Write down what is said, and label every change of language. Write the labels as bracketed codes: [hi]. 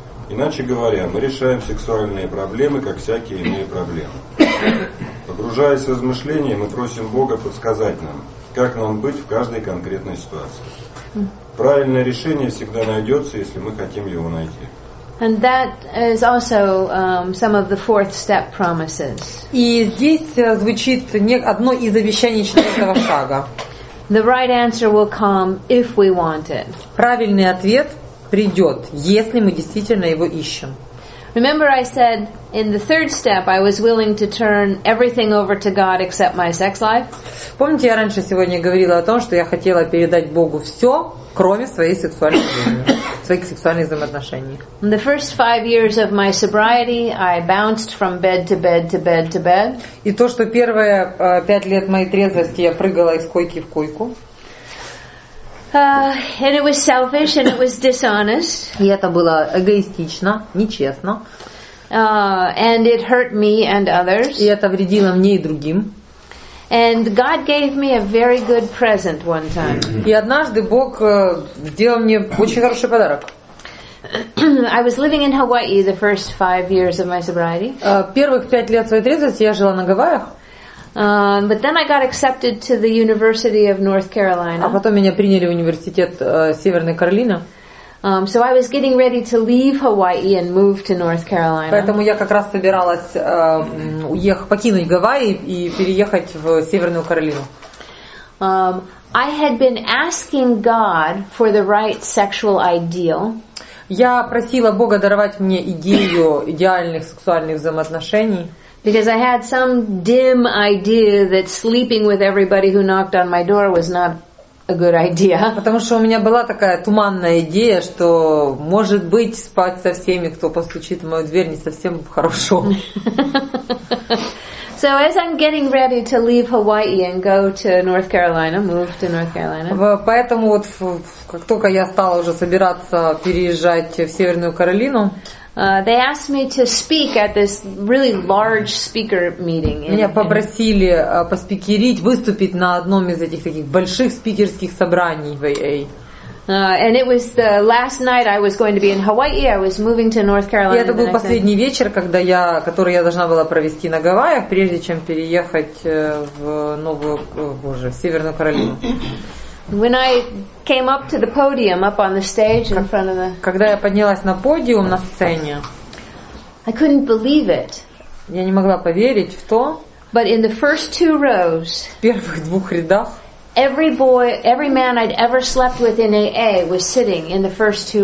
[ru] Иначе говоря, мы решаем сексуальные проблемы, как всякие иные проблемы. Погружаясь в размышления, мы просим Бога подсказать нам, как нам быть в каждой конкретной ситуации. Правильное решение всегда найдется, если мы хотим его найти. [en] And that is also some of the fourth step promises. [ru] И здесь звучит одно из обещаний четвертого шага. [en] The right answer will come if we want it. [ru] Правильный ответ придет, если мы действительно его ищем. [en] Remember, I said in the third step I was willing to turn everything over to God except my sex life. [ru] Помните, я раньше сегодня говорила о том, что я хотела передать Богу все, кроме своей сексуальной жизни. Своих сексуальных взаимоотношений. [en] In the first 5 years of my sobriety, I bounced from bed to bed to bed to bed. [ru] И то, что первые 5 лет моей трезвости я прыгала из койки в койку. [en] And it was selfish and it was dishonest. [ru] И это было эгоистично, нечестно. [en] And it hurt me and others. [ru] И это вредило мне и другим. [en] And God gave me a very good present one time. [ru] И однажды Бог сделал мне очень хороший подарок. [en] I was living in Hawaii the first 5 years of my sobriety. [ru] Первых 5 лет своей трезвости я жила на Гавайях. [en] But then I got accepted to the University of North Carolina. [ru] А потом меня приняли в университет Северной Каролины. [en] So I was getting ready to leave Hawaii and move to North Carolina. [ru] Поэтому я как раз собиралась покинуть Гавайи и переехать в Северную Каролину. [en] I had been asking God for the right sexual ideal. [ru] Я просила Бога даровать мне идею идеальных сексуальных взаимоотношений. [en] Because I had some dim idea that sleeping with everybody who knocked on my door was not a good idea. [ru] Потому что у меня была такая туманная идея, что может быть спать со всеми, кто постучит в мою дверь, не совсем хорошо. [en] So as I'm getting ready to leave Hawaii and go to North Carolina, move to North Carolina. [ru] Поэтому вот как только я стала уже собираться переезжать в Северную Каролину, [en] They asked me to speak at this really large speaker meeting. [ru] Меня попросили поспикерить, выступить на одном из этих таких больших спикерских собраний в AA. [en] And it was the last night I was going to be in Hawaii. I was moving to North Carolina. [ru] И это был последний вечер, когда я, который я должна была провести на Гавайях, прежде чем переехать в новую, боже, Северную Каролину. [en] When I came up to the podium, up on the stage in front of the, [ru] когда я поднялась на подиум на сцене, [en] I couldn't believe it. [ru] Я не могла поверить в то. [en] But in the first two rows, [ru] в первых двух рядах, [en] every boy, every man I'd ever slept with in AA was sitting in the first two